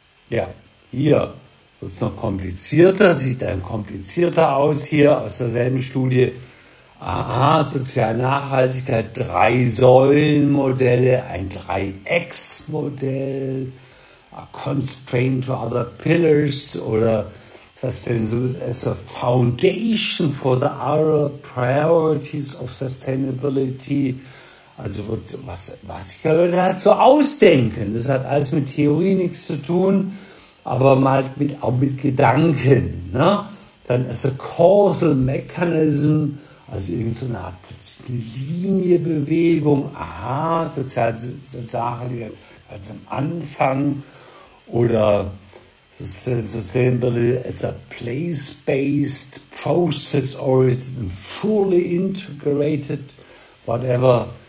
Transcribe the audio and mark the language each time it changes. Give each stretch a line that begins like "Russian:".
German: Ja, hier wird es noch komplizierter, sieht dann komplizierter aus hier aus derselben Studie. Aha, soziale Nachhaltigkeit, Drei-Säulen-Modelle, ein Dreiecks-Modell.
English: Constraint to other pillars oder sustainability as a foundation for the other priorities of sustainability.
German: Also was sich ja Leute halt so ausdenken. Das hat alles mit Theorie nichts zu tun, aber mal mit, auch mit Gedanken. Ne? Dann
English: as a causal mechanism,
German: Also irgend so eine Art Linienbewegung, aha, soziale Sachen ganz am Anfang oder
English: sustainability as a place-based, process-oriented, fully integrated, whatever.